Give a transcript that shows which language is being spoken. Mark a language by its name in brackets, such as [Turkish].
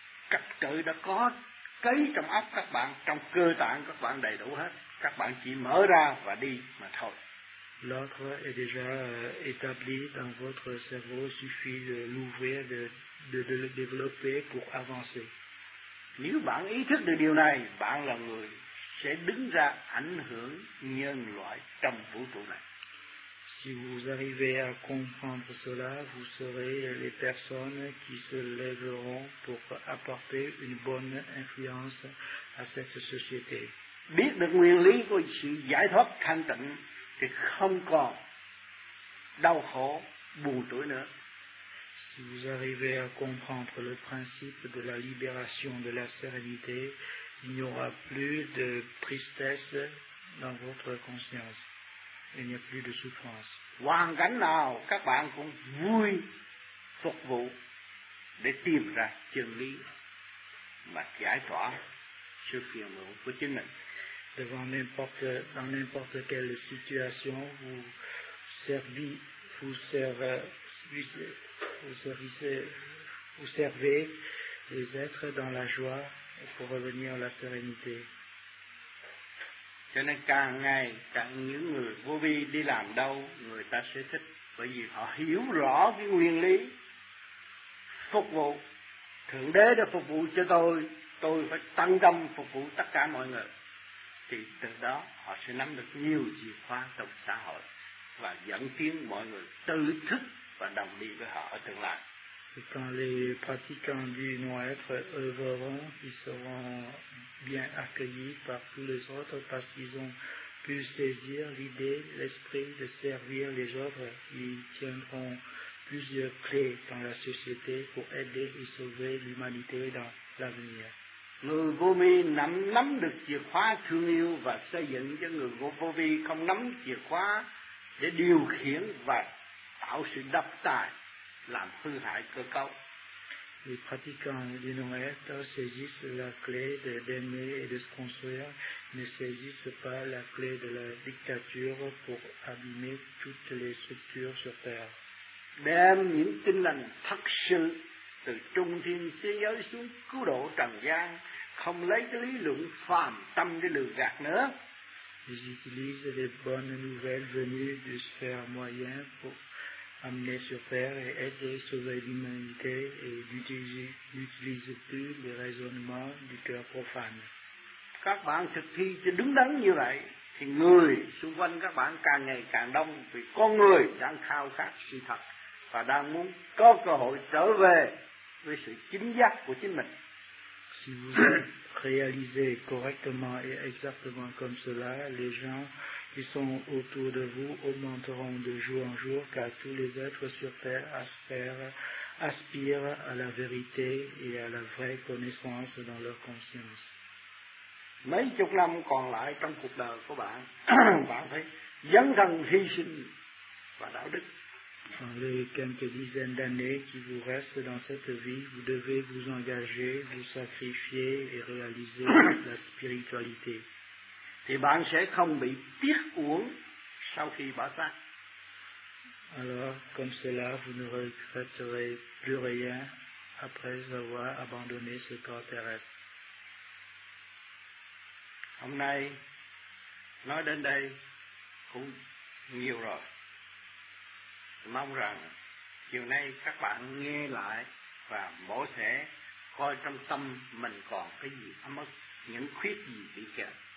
[Vietnamese] Cặp cỡ đã có cấy trong óc các bạn, trong cơ tạng các bạn đầy đủ hết, các bạn chỉ mở ra và đi mà thôi. [French] L'ordre est déjà établi dans votre cerveau, il suffit de l'ouvrir, de le développer pour avancer. [Vietnamese] Nếu bạn ý thức được điều này, bạn là người sẽ đứng ra ảnh hưởng nhân loại trong vũ trụ này. [French] Si vous arrivez à comprendre cela, vous serez les personnes qui se lèveront pour apporter une bonne influence à cette société. [Vietnamese] Biết được nguyên lý của sự giải thoát thanh tịnh thì không còn đau khổ buồn tuổi nữa. [French] Si vous arrivez à comprendre le principe de la libération de la sérénité, il n'y aura plus de tristesse dans votre conscience. Il n'y a plus de souffrance. [Vietnamese] Hoàn cảnh nào các bạn cũng vui phục vụ để tìm ra chân lý mà giải tỏa sự phiền muộn của chính mình. [French] Devant n'importe, dans n'importe quelle situation, vous servez, vous servez les êtres dans la joie pour revenir à la sérénité. [Vietnamese] Cho nên càng ngày càng những người vô vi đi làm đâu người ta sẽ thích, bởi vì họ hiểu rõ cái nguyên lý phục vụ. Thượng Đế đã phục vụ cho tôi phải tận tâm phục vụ tất cả mọi người. Thì từ đó họ sẽ nắm được nhiều chìa khóa trong xã hội và dẫn tiến mọi người tự thức và đồng đi với họ ở tương lai. [French] Et quand les pratiquants du non-être œuvreront, ils seront bien accueillis par tous les autres parce qu'ils ont pu saisir l'idée, l'esprit de servir les autres. Ils tiendront plusieurs clés dans la société pour aider et sauver l'humanité dans l'avenir. [Vietnamese] Người vô vi nắm được chìa khóa thương yêu và xây dựng, cho người vô vi không nắm chìa khóa để điều khiển và tạo sự độc tài. Làm hư hại cơ cấu. [French] Les pratiquants du non-être saisissent la clé d'aimer et de se construire, ne saisissent pas la clé de la dictature pour abîmer toutes les structures sur terre. [Vietnamese] Đem những tinh lành thật sự từ trung thiên thế giới xuống cứu độ trần gian, không lấy cái lý luận phàm tâm để lừa gạt nữa. [French] Ils utilisent les bonnes nouvelles venues du sphère moyen pour amener sur terre et aider sauver l'humanité et n'utilise plus les raisonnements du cœur profane. [Vietnamese] Các bạn thực thi cho đứng đắn như vậy thì người xung quanh các bạn càng ngày càng đông, vì con người đang khao khát sự thật và đang muốn có cơ hội trở về với sự chính giác của chính mình. [French] Si vous réalisez correctement et exactement comme cela, les gens qui sont autour de vous augmenteront de jour en jour, car tous les êtres sur terre aspirent à la vérité et à la vraie connaissance dans leur conscience. [Vietnamese] Mấy chục năm còn lại trong cuộc đời của bạn, bạn phải dấn thân hy sinh và đạo đức. [French] Dans les quelques dizaines d'années qui vous restent dans cette vie, vous devez vous engager, vous sacrifier et réaliser la spiritualité. [Vietnamese] Thì bạn sẽ không bị tiếc uổng sau khi bỏ xa. [French] Alors, comme cela, vous ne regretterez plus rien après avoir abandonné ce corps terrestre. [Vietnamese] Hôm nay, nói đến đây cũng nhiều rồi. Tôi mong rằng chiều nay các bạn nghe lại và bổ thể coi trong tâm mình còn cái gì ấm ức, những khuyết gì bị kẹt.